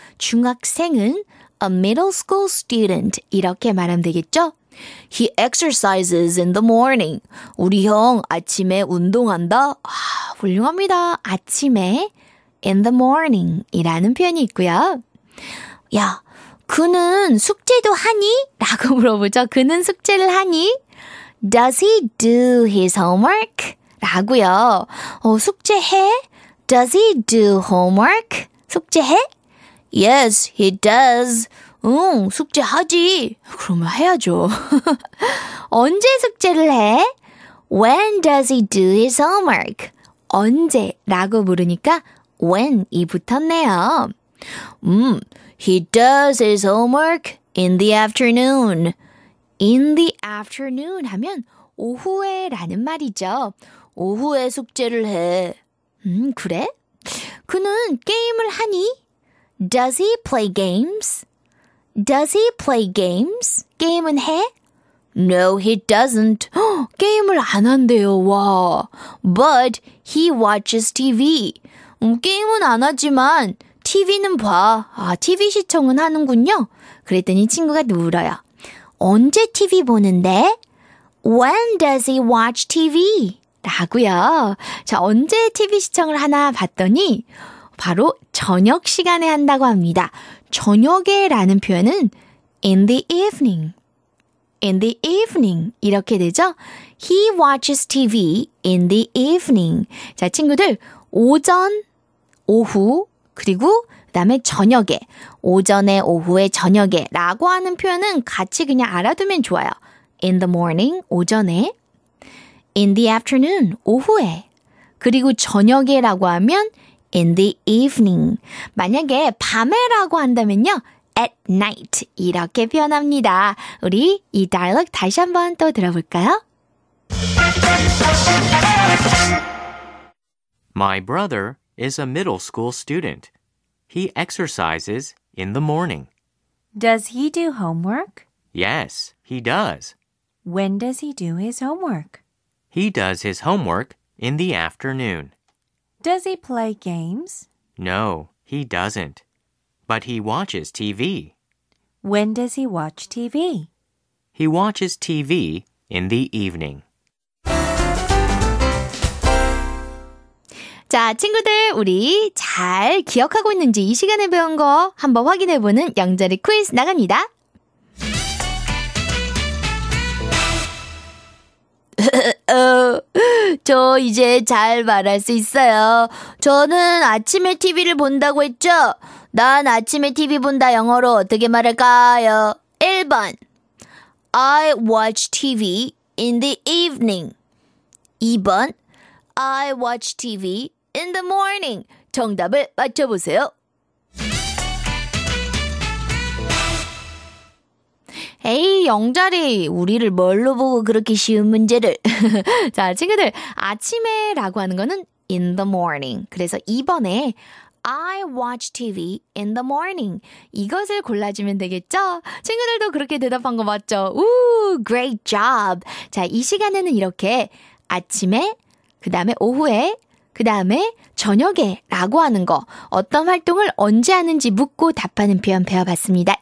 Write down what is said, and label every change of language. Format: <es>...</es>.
<ko>중학생은</ko> <en>a middle school student</en> <ko>이렇게 말하면 되겠죠?</ko> <en>He exercises in the morning.</en> <ko>우리 형 아침에 운동한다. 아, 훌륭합니다. 아침에 in the morning 이라는 표현이 있고요. 야, 그는 숙제도 하니? 라고 물어보죠. 그는 숙제를 하니?</ko> <en>Does he do his homework?</en> <ko>라고요. 숙제해?</ko> <en>Does he do homework?</en> <ko>숙제해?</ko> <en>Yes, he does.</en> <ko>응, 숙제하지. 그러면 해야죠. 언제 숙제를 해?</ko> <en>When does he do his homework?</en> <ko>언제? 라고 물으니까 when이 붙었네요.</ko> <en>He does his homework in the afternoon. In the afternoon</en> <ko>하면 오후에 라는 말이죠. 오후에 숙제를 해. 그래? 그는 게임을 하니?</ko> <en>Does he play games? Does he play games?</en> <ko>게임은 해?</ko> <en>No, he doesn't.</en> <ko>게임을 안 한대요. 와.</ko> <en>But he watches TV.</en> <ko>게임은 안 하지만 TV는 봐. 아, TV 시청은 하는군요. 그랬더니 친구가 물어요. 언제 TV 보는데?</ko> <en>When does he watch TV?</en> <ko>라고요. 자, 언제 TV 시청을 하나 봤더니 바로 저녁 시간에 한다고 합니다. 저녁에 라는 표현은</ko> <en>in the evening. In the evening</en> <ko>이렇게 되죠.</ko> <en>He watches TV in the evening.</en> <ko>자, 친구들 오전, 오후 그리고 그 다음에 저녁에, 오전에, 오후에, 저녁에 라고 하는 표현은 같이 그냥 알아두면 좋아요.</ko> <en>In the morning,</en> <ko>오전에,</ko> <en>in the afternoon,</en> <ko>오후에, 그리고 저녁에 라고 하면</ko> <en>in the evening.</en> <ko>만약에 밤에 라고 한다면요,</ko> <en>at night</en> <ko>이렇게 표현합니다. 우리 이 dialogue 다시 한번 또 들어볼까요?</ko> <en>My brother is a middle school student. He exercises in the morning. Does he do homework? Yes, he does. When does he do his homework? He does his homework in the afternoon. Does he play games? No, he doesn't. But he watches TV. When does he watch TV? He watches TV in the evening.</en> <ko>자, 친구들 우리 잘 기억하고 있는지 이 시간에 배운 거 한번 확인해보는 영자리 퀴즈 나갑니다. 저 이제 잘 말할 수 있어요. 저는 아침에 TV를 본다고 했죠? 난 아침에 TV 본다 영어로 어떻게 말할까요?</ko> <en>1번 I watch TV in the evening. 2번 I watch TV in the morning.</en> <ko>정답을 맞춰보세요. Hey, 영자리. 우리를 뭘로 보고 그렇게 쉬운 문제를. 자, 친구들. 아침에 라고 하는 거는</ko> <en>in the morning.</en> <ko>그래서 2번에</ko> <en>I watch TV in the morning.</en> <ko>이것을 골라주면 되겠죠? 친구들도 그렇게 대답한 거 맞죠?</ko> <en>Ooh, great job.</en> <ko>자, 이 시간에는 이렇게 아침에, 그 다음에 오후에, 그 다음에 저녁에 라고 하는 거 어떤 활동을 언제 하는지 묻고 답하는 표현 배워봤습니다.</ko>